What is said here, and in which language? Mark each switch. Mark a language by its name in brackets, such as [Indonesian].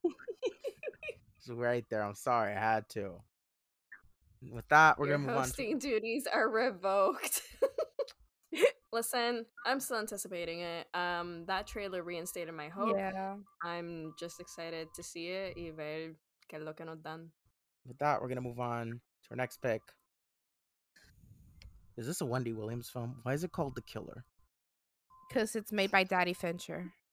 [English] It was right there. I'm sorry. I had to. With that, we're going to move on. Hosting duties are revoked. Listen, I'm still anticipating it. That trailer reinstated my hope. Yeah. I'm just excited to see it. [Spanish] Y ver qué es lo que nos dan. [English] With that, we're going to move on to our next pick. Is this a Wendy Williams film? Why is it called The Killer? Because it's made by Daddy Fincher.